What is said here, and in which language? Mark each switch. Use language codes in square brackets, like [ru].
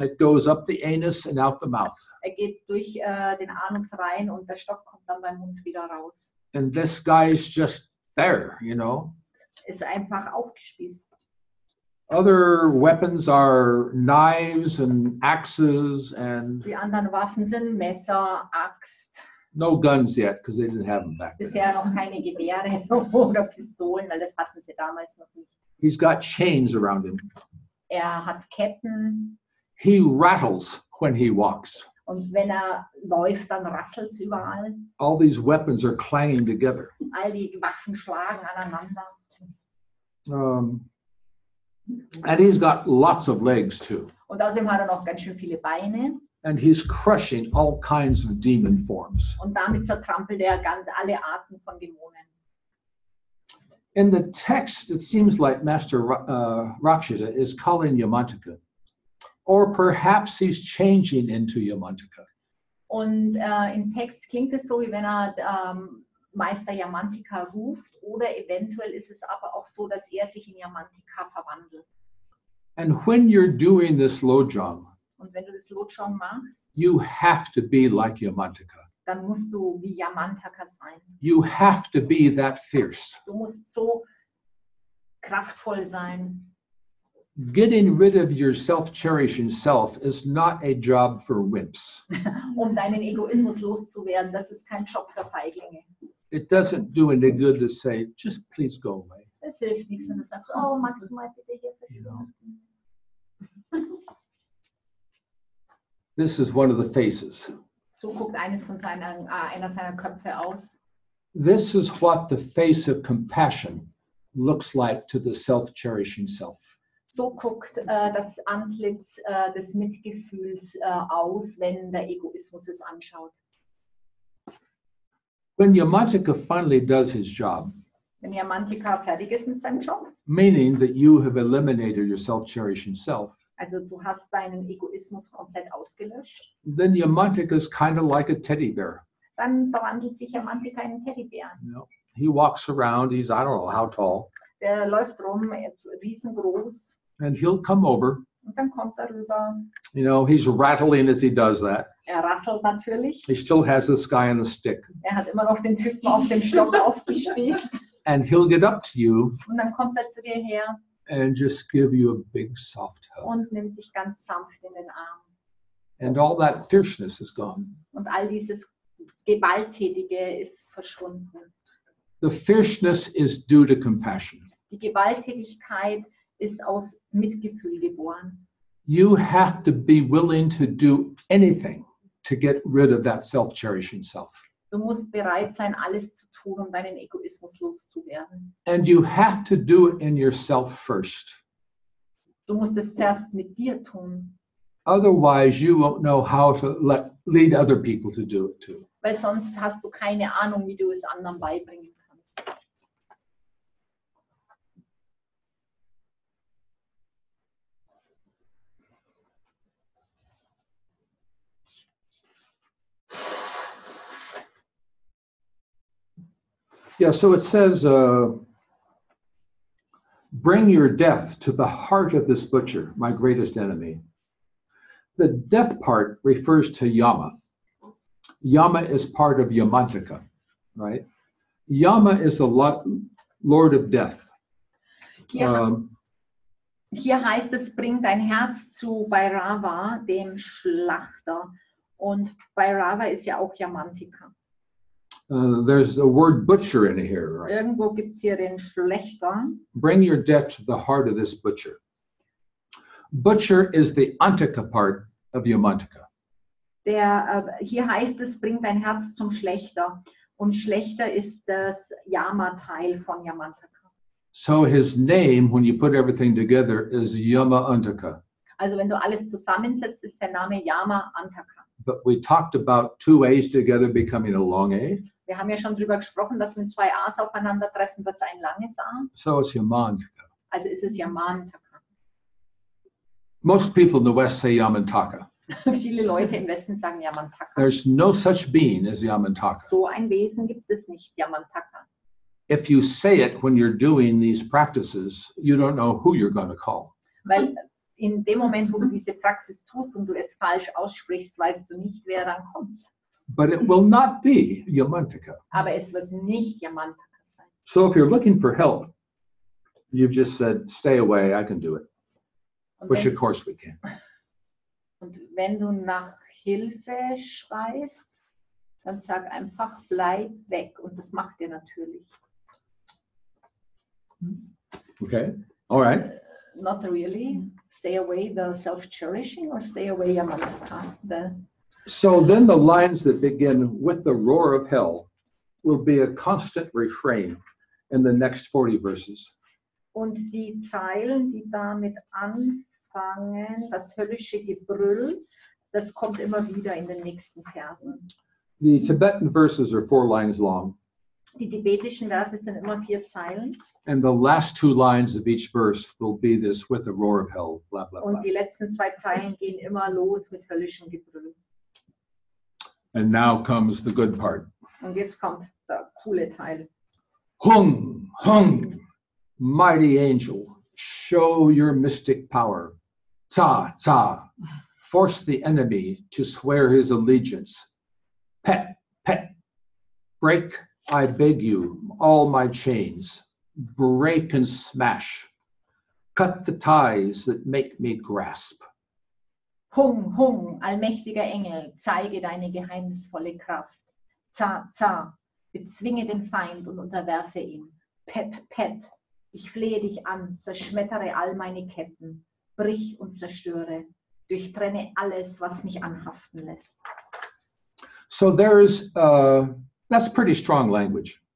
[en] It goes up the anus and out the mouth. [de] Er geht durch den Anus rein und der Stock kommt dann beim Mund wieder raus. [en] And this guy is just there, you know. [de] Ist einfach aufgespießt. [en] Other weapons are knives and axes and. [de] Die anderen Waffen sind Messer, Axt. [en] No guns yet, because they didn't have them back. [de] Bisher [en] then. [de] Noch keine Gewehre oder Pistolen, weil das hatten sie damals noch nicht. [en] He's got chains around him. [de] Er hat Ketten. [en] He rattles when he walks. [de] Und wenn er läuft, dann rasselt's überall. [en] All these weapons are clanging together. [de] All die Waffen schlagen aneinander. [en] And he's got lots of legs too. [de] Und außerdem hat er noch ganz schön viele Beine. [en] And he's crushing all kinds of demon forms. [de] Und damit zertrampelt er ganz alle Arten von Dämonen. [en] In the text, it seems like Master Rakshita is calling Yamantaka. Or perhaps he's changing into Yamantaka. [de] Und im Text klingt es so, wie wenn er Meister Yamantaka ruft, oder eventuell ist es aber auch so, dass er sich in Yamantaka verwandelt. [en] And when you're doing this Lojong, [de] und wenn du das Lojong machst, [en] you have to be like Yamantaka. [de] Dann musst du wie Yamantaka sein. [en] You have to be that fierce. [de] Du musst so kraftvoll sein. [en] Getting rid of your self-cherishing self is not a job for wimps. [de] Um deinen Egoismus loszuwerden, das ist kein Job für Feiglinge. [en] It doesn't do any good to say, just please go away. [de] Es hilft nichts, wenn du sagst, oh, magst du mal bitte hier verschwinden? [en] This is one of the faces. [de] So guckt eines von einer seiner Köpfe aus. [en] This is what the face of compassion looks like to the self-cherishing self. [de] So guckt das Antlitz des Mitgefühls aus, wenn der Egoismus es anschaut. [en] When Yamantaka finally does his job, [de] wenn Yamantaka fertig ist mit seinem Job, [en] meaning that you have eliminated your self-cherishing self, [de] also du hast deinen Egoismus komplett ausgelöscht, [en] then Yamantaka is kind of like a teddy bear. [de] Dann verwandelt sich Yamantaka in einen Teddybär. [en] You know, he walks around, he's, I don't know how tall. [de] Der läuft rum, riesengroß. [en] And he'll come over. [de] Und dann kommt er rüber. [en] You know, he's rattling as he does that. [de] Er rasselt natürlich. [en] He still has this guy on the stick. [de] Er hat immer noch den Typen auf dem Stock aufgespießt. [en] And he'll get up to you. [de] Und dann kommt er zu dir her. [en] And just give you a big soft hug. [de] Und nimmt dich ganz sanft in den Arm. [en] And all that fierceness is gone. [de] Und all dieses Gewalttätige ist verschwunden. [en] The fierceness is due to compassion. [de] Die Gewalttätigkeit ist aus Mitgefühl geboren. [en] You have to be willing to do anything to get rid of that self-cherishing self. [de] Du musst bereit sein, alles zu tun, um deinen Egoismus loszuwerden. [en] And you have to do it in yourself first. [de] Du musst es zuerst mit dir tun. [en] Otherwise, you won't know how to lead other people to do it too. [de] Weil sonst hast du keine Ahnung, wie du es anderen beibringen kannst. [en] Yeah, so it says, bring your death to the heart of this butcher, my greatest enemy. The death part refers to Yama. Yama is part of Yamantaka, right? Yama is the Lord of Death. [de] Hier heißt es, bring dein Herz zu Bhairava, dem Schlachter. Und Bhairava ist ja auch Yamantaka. [en] There's a word butcher in here, right? [de] Irgendwo gibt's hier den Schlechter. [en] Bring your debt to the heart of this butcher. Butcher is the Antika part of Yamantika. [de] Hier heißt es, bring dein Herz zum Schlechter. Und Schlechter ist das Yama-Teil von Yamantika. [en] So his name, when you put everything together, is Yamantika. [de] Also wenn du alles zusammensetzt, ist der Name Yamantika. [en] But we talked about two A's together becoming a long A. [de] Wir haben ja schon drüber gesprochen, dass wenn zwei A's aufeinandertreffen, wird es ein langes A. So ist Yamantaka. Also ist es Yamantaka. [en] Most people in the West say Yamantaka. [de] Viele Leute im Westen sagen Yamantaka. [en] There's no such being as Yamantaka. [de] So ein Wesen gibt es nicht, Yamantaka. [en] If you say it when you're doing these practices, you don't know who you're going to call. [de] Weil in dem Moment, wo du diese Praxis tust und du es falsch aussprichst, weißt du nicht, wer dann kommt. [en] But it will not be Yamantaka. [de] Aber es wird nicht Yamantaka sein. [en] So if you're looking for help, you've just said, stay away, I can do it. Which of course we can. [de] Und wenn du nach Hilfe schreist, dann sag einfach, bleib weg. Und das macht er natürlich. [en] Okay, all right. Not really. Stay away the self-cherishing or stay away Yamantaka. So then the lines that begin with the roar of hell will be a constant refrain in the next 40 verses. [de] Und die Zeilen, die damit anfangen, das höllische Gebrüll, das kommt immer wieder in den nächsten Versen. [en] The Tibetan verses are 4 lines long. [de] Die tibetischen Verse sind immer 4 Zeilen. [en] And the last 2 lines of each verse will be this with the roar of hell, blah, blah, blah. [de] Und die letzten 2 Zeilen gehen immer los mit höllischem Gebrüll. [en] And now comes the good part. [de] Und jetzt kommt der coole Teil. [en] Hung, hung, mighty angel, show your mystic power. Ta, ta, force the enemy to swear his allegiance. Pet, pet, break, I beg you, all my chains. Break and smash. Cut the ties that make me grasp. [de] Hung, hung, allmächtiger Engel, zeige deine geheimnisvolle Kraft. Za, za, bezwinge den Feind und unterwerfe ihn. Pet, pet, ich flehe dich an, zerschmettere all meine Ketten, brich und zerstöre, durchtrenne alles, was mich anhaften lässt. [en] So there is, that's pretty strong language.